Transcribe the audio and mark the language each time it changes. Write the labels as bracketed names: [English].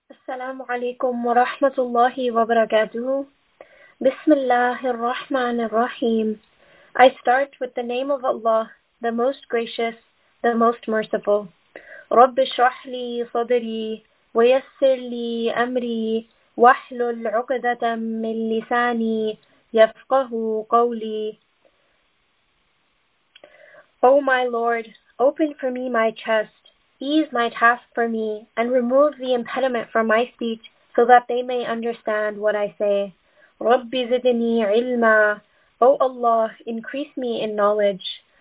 [Arabic] السلام عليكم ورحمة الله وبركاته. بسم الله الرحمن الرحيم. [English] I start with the name of Allah, the most gracious, the most merciful. [Arabic] رب اشرح لي صدري ويسر لي أمري واحلل عقدة من لساني يفقه قولي. [English] Oh my Lord, open for me my chest. Ease my task for me, and remove the impediment from my speech, so that they may understand what I say. [Arabic] رَبِّ زِدْنِي عِلْمًا. [English] O Allah, increase me in knowledge.